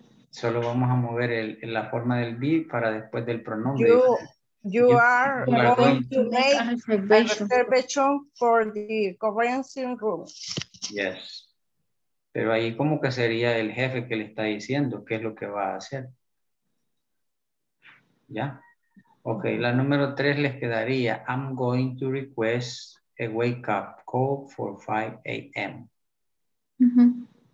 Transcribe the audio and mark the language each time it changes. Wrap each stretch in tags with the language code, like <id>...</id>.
<es>Solo vamos a mover la forma del be para después del pronombre.</es> <en>You are going to make a reservation for the conference room. Yes.</en> <es>Pero ahí como que sería el jefe que le está diciendo qué es lo que va a hacer.</es> <en>¿Ya? Ok,</en> <es>la número 3 les quedaría.</es> <en>I'm going to request a wake up call for 5 a.m. Uh-huh.</en>